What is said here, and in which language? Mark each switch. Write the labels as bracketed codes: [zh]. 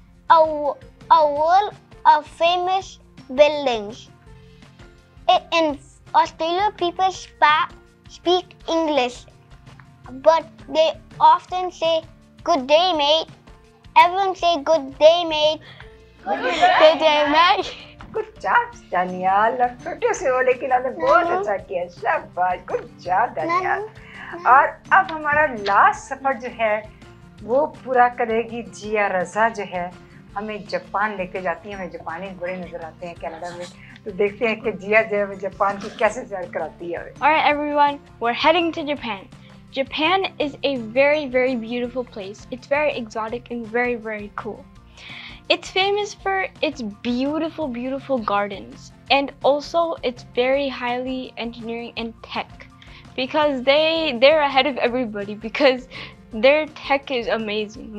[en] a world of famous buildings. In Australia, people speak English, but they often say good day, mate. Everyone say good day, mate. Good day, mate. Good job, Daniel. [hi] छोटे से हो लेकिन आपने बहुत अच्छा किया. शाबाश. [en] Good job, Daniel. [hi] और अब हमारा last सफर जो है, वो पूरा करेगी जिया रज़ा जो है. हमें जापान लेके जाती है. हमें जापानी बड़े नजर आते हैं कनाडा में. तो देखते हैं कि जिया जो है जापान की कैसे सैर कराती है. [en] Alright, everyone. We're heading to Japan. Japan is a very, very beautiful place. It's very exotic and very, very cool. It's famous for its beautiful, beautiful gardens, and also it's very highly engineering and tech, because they're ahead of everybody because their tech is amazing.